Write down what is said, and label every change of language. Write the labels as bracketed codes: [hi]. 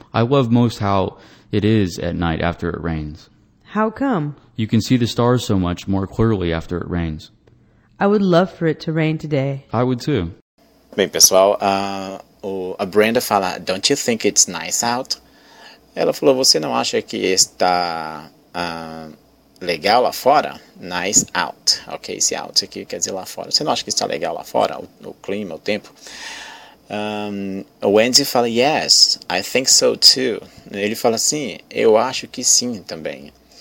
[en] I love most how it is at night after it rains. How come? You can see the stars so much more clearly after it rains. I would love for it to rain today. I would too. [pt] Bem, pessoal, a Brenda fala, [en] don't you think it's nice out? [pt] Ela falou, você não acha que está legal lá fora? Nice out, ok? Esse out aqui quer dizer lá fora. Você não acha que está legal lá fora, o clima, o tempo? O Andy fala, [en] yes, I think so too. [pt] Ele fala assim, eu acho que sim também.